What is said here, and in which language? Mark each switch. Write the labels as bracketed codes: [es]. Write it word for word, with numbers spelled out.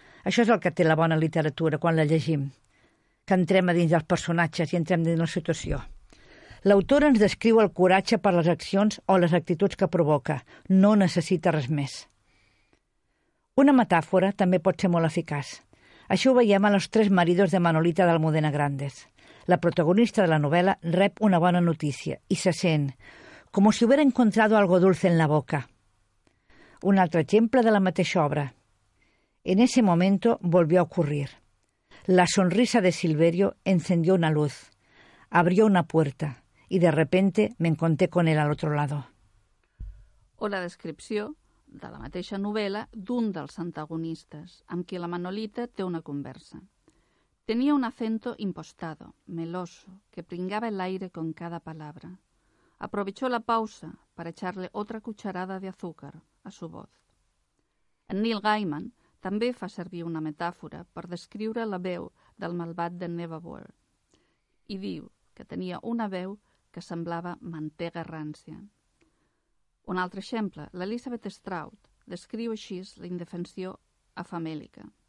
[ca] Això és el que té la bona literatura quan la llegim, que entrem a dins dels personatges i entrem dins la situació. L'autora ens descriu el coratge per les accions o les actituds que provoca. No necessita res més. Una metàfora també pot ser molt eficaç. Això ho veiem a Los tres maridos de Manolita de Almudena Grandes. La protagonista de la novela rep una bona notícia y se sent [es] como si hubiera encontrado algo dulce en la boca. [ca] Un altre exemple de la mateixa obra. [es] En ese momento volvió a ocurrir. La sonrisa de Silverio encendió una luz, abrió una puerta y de repente me encontré con él al otro lado. [ca] O la descripció de la mateixa novel·la d'un dels antagonistes, amb qui la Manolita té una conversa. [es] Tenía un acento impostado, meloso, que pringaba el aire con cada palabra. Aprovechó la pausa para echarle otra cucharada de azúcar a su voz. [ca] En Neil Gaiman també fa servir una metàfora per descriure la veu del malvat de Neverwhere i diu que tenia una veu que semblava mantega rància. Un altre exemple, l'Elizabeth Stroud descriu així la indefensió afamèlica.